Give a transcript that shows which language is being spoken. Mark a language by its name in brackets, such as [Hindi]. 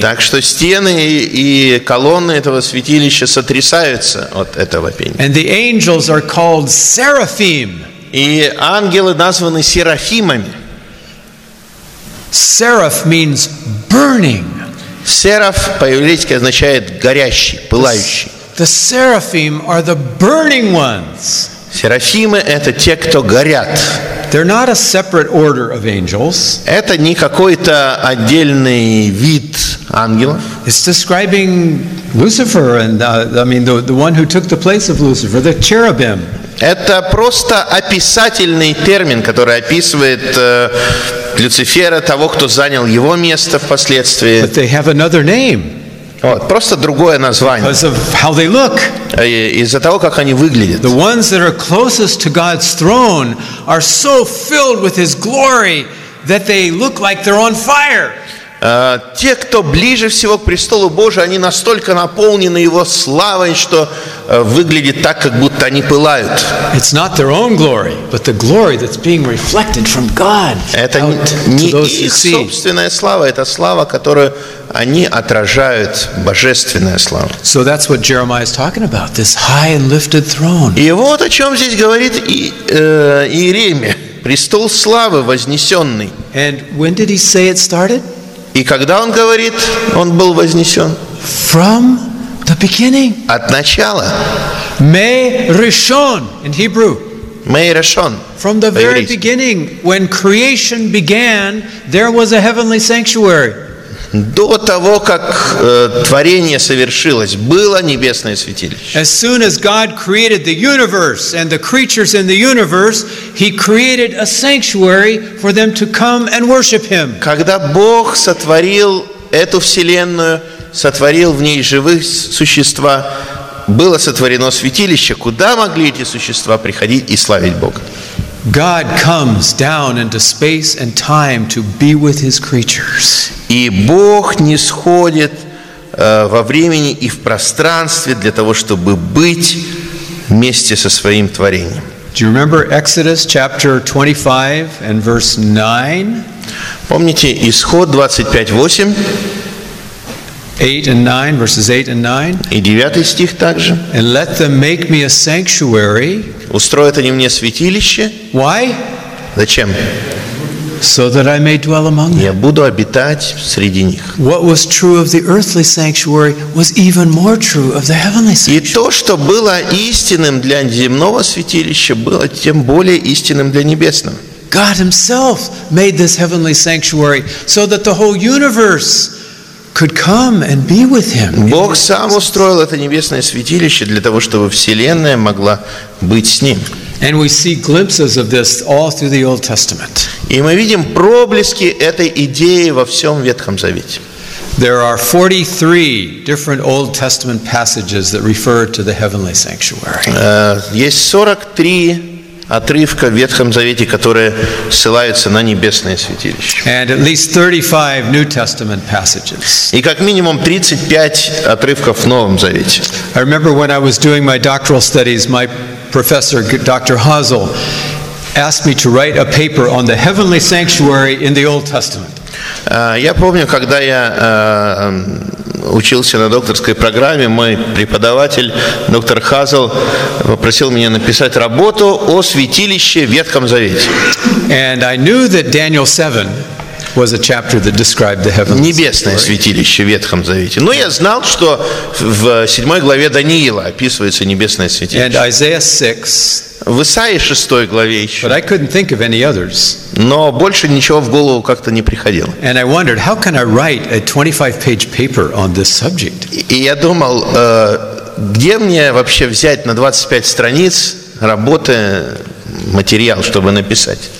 [Russian] Так что стены и колонны этого святилища сотрясаются от этого пения. [English] And the angels are called seraphim. [Russian] И ангелы названы серафимами. [English] Seraph means burning. [Russian] Сераф по-еврейски означает горящий, пылающий. [English] The seraphim are the burning ones. [Russian] Серафимы — это те, кто горят. [English] They're not a separate order of angels. [Russian] Это не какой-то отдельный вид ангелов. [English] It's describing Lucifer, and the one who took the place of Lucifer, the cherubim. [Russian] Это просто описательный термин, который описывает Люцифера, того, кто занял его место впоследствии. [English] But they have another name. [Russian] Вот, просто другое название. [English] Because of how they look. [Russian] Из-за того, как они выглядят. [English] The ones that are closest to God's throne are so filled with His glory that they look like they're on fire. [Russian] Те, кто ближе всего к престолу Божию, они настолько наполнены Его славой, что выглядит так, как будто они пылают. [English] It's not their own glory, but the glory that's being reflected from God. [Russian] Это не их собственная слава, это слава, которую они отражают, божественная слава. [English] So that's what Jeremiah is talking about, this high and lifted throne. [Russian] И вот о чем здесь говорит Иеремия, престол славы вознесенный. [English] And when did he say it started? [Russian] И когда он говорит, он был вознесен. [English] From the beginning. [Russian] От начала. [English] May Rishon in Hebrew. [Hebrew] May Rishon. [English] From the very beginning, when creation began, there was a heavenly sanctuary. [Russian] До того, как творение совершилось, было небесное святилище. [English] As soon as God created the universe and the creatures in the universe, He created a sanctuary for them to come and worship Him. [Russian] Когда Бог сотворил эту вселенную, сотворил в ней живых существа, было сотворено святилище, куда могли эти существа приходить и славить Бога. [English] God comes down into space and time to be with His creatures. [Russian] И Бог нисходит во времени и в пространстве для того, чтобы быть вместе со Своим творением. [English] Do you remember Exodus chapter 25 and verse 9? [Russian] Помните Исход [English] 25:8? 8 and 9, verses 8 and 9. [Russian] И 9 стих также. [English] And let them make me a sanctuary. [Russian] Устроят они мне святилище. [English] Why? [Russian] Зачем? [English] So that I may dwell among them. [Russian] Я буду обитать среди них. [English] What was true of the earthly sanctuary was even more true of the heavenly sanctuary. [Russian] И то, что было истинным для земного святилища, было тем более истинным для небесного. [English] God Himself made this heavenly sanctuary so that the whole universe could come and be with Him. [Russian] Бог сам устроил это небесное святилище для того, чтобы вселенная могла быть с Ним. [English] And we see glimpses of this all through the Old Testament. [Russian] И мы видим проблески этой идеи во всем Ветхом Завете. [English] There are 43 different Old Testament passages that refer to the heavenly sanctuary. [Russian] Есть 43 отрывка в Ветхом Завете, которые ссылаются на небесное святилище. [English] And at least 35 New Testament passages. [Russian] И как минимум 35 отрывков в Новом Завете. [English] I remember when I was doing my doctoral studies, my professor, Dr. Hazel, asked me to write a paper on the heavenly sanctuary in the Old Testament. [Russian] Я помню, когда я учился на докторской программе, мой преподаватель, доктор Хазел, попросил меня написать работу о святилище в Ветхом Завете. [English] And I knew that Daniel 7 was a chapter that described the heavenly sanctuary. [Russian] Небесное святилище в Ветхом Завете. Но я знал, что в 7 главе Даниила описывается небесное святилище. [English] And Isaiah 6. [Russian] В Исаии 6 главе еще. [English] But I couldn't think of any others. [Russian] Но больше ничего в голову как-то не приходило. [English] And I wondered, how can I write a 25-page paper on this subject? [Russian] И я думал, где мне вообще взять на 25 страниц работы материал, чтобы написать?